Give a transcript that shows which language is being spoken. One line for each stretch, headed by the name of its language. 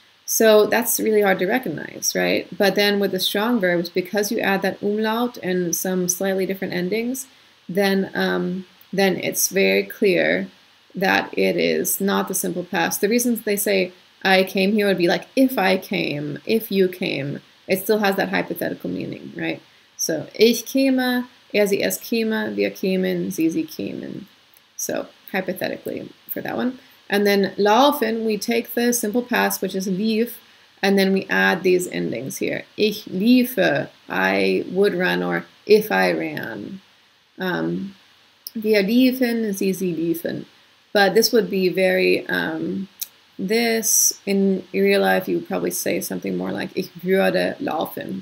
English: So that's really hard to recognize, right? But then with the strong verbs, because you add that umlaut and some slightly different endings, then it's very clear that it is not the simple past. The reasons they say I came here would be like if I came, if you came. It still has that hypothetical meaning, right?
German: So ich käme, sie es käme, wir kämen, sie kämen.
English: So hypothetically for that one. And then laufen, we take the simple past, which is lief, and then we add these endings here. Ich liefe, I would run, or if I ran. Wir liefen, sie liefen. But this would be very, this in real life, you would probably say something more like ich würde laufen.